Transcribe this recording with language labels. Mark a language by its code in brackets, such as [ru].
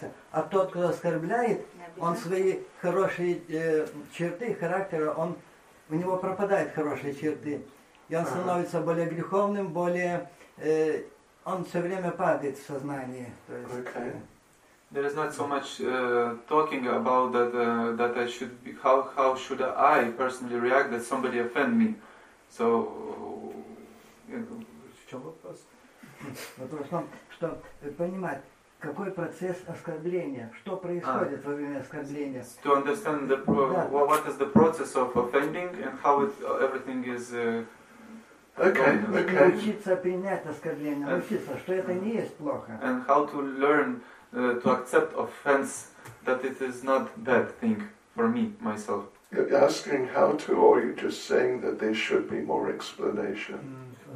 [ru] А тот, кто оскорбляет, он свои хорошие черты, характера, он, у него пропадают хорошие черты. И он становится более греховным, более... он все время падает в сознании. [en] Okay. There is not so much talking about that that I should be, how should I personally react that somebody offend me. So [ru] в чем вопрос? Вопрос в том, что понимать, какой процесс оскорбления, что происходит во время оскорбления. [en] To understand the what is the process of offending and how it everything is. Okay. [ru] Учиться принять оскорбление, учиться, что это не есть плохо. [en] And how to learn to accept offense that it is not bad thing for me myself. You're asking how to, or are you just saying that there should be more explanation?